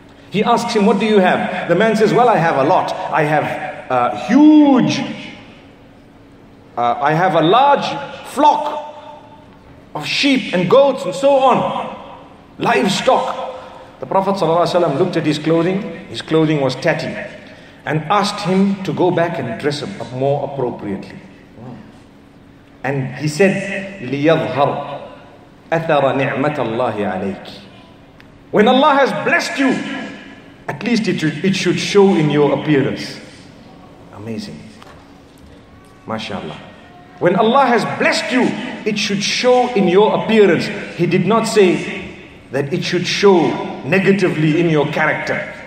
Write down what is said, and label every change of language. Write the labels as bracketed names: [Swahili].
[English] He asks him, what do you have? The man says, well, I have a lot. I have a huge, I have a large flock of sheep and goats and so on. Livestock. The Prophet ﷺ looked at his clothing was tatty, and asked him to go back and dress him up more appropriately. [Arabic] And he said, لِيَظْهَرْ أَثَرَ نِعْمَةَ اللَّهِ عَلَيْكِ. [English] When Allah has blessed you, at least it should show in your appearance. Amazing. MashaAllah. When Allah has blessed you, it should show in your appearance. He did not say that it should show negatively in your character.